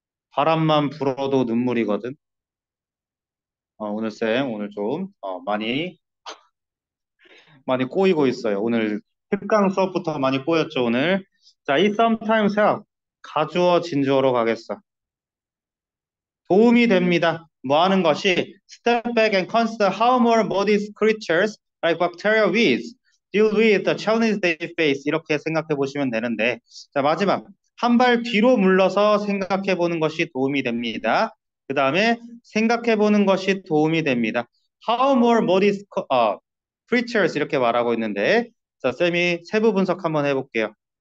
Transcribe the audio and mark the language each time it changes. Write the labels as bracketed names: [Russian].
[Korean] 바람만 불어도 눈물이거든. 오늘 좀, 많이 꼬이고 있어요. 오늘 특강 수업부터 많이 꼬였죠, 오늘. [English] 자, it sometimes help. [Korean] 가주어 진주어로 가겠어. 도움이 됩니다. 뭐 하는 것이? [English] Step back and consider how more modest creatures like bacteria weeds deal with the challenges they face. [Korean] 이렇게 생각해 보시면 되는데, 자, 마지막 한발 뒤로 물러서 생각해 보는 것이 도움이 됩니다. 그 다음에 생각해 보는 것이 도움이 됩니다. [English] How more modest creatures [Korean] 이렇게 말하고 있는데, 자, 쌤이 세부 분석 한번 해볼게요.